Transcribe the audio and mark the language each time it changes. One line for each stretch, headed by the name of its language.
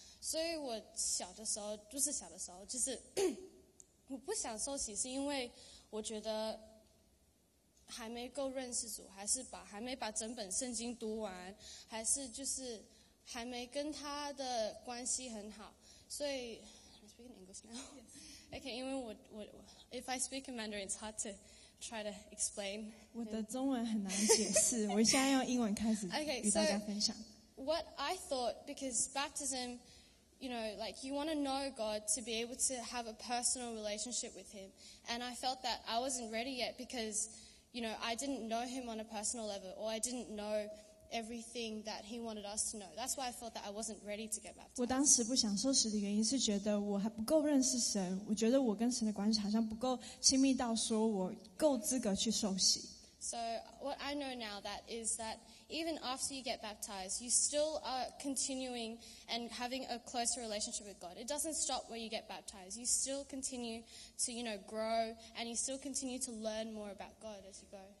Chinese: 所以我小的时候，就是小的时候，就是我不想受洗，是因为我觉得还没够认识主，还没把整本圣经读完，还是就是还没跟他的关系很好。
English: 所以 I'm speaking English now. Okay,
Chinese: 因为我
English: if I speak in Mandarin, it's hard to try to explain.
Chinese: 我的中文很难解释，我现在用英文开始与大家分享。
English: Okay, so,What I thought, because baptism, you know, like you want to know God to be able to have a personal relationship with Him. And I felt that I wasn't ready yet because, you know, I didn't know Him on a personal level or I didn't know everything that He wanted us to know. That's why I felt that I wasn't ready to get baptized.
Chinese: 我当时不想受洗的原因是觉得我还不够认识神，我觉得我跟神的关系好像不够亲密到说我够资格去受洗。
English: So what I know now that is that even after you get baptized, you still are continuing and having a closer relationship with God. It doesn't stop where you get baptized. You still continue to, you know, grow and you still continue to learn more about God as you go.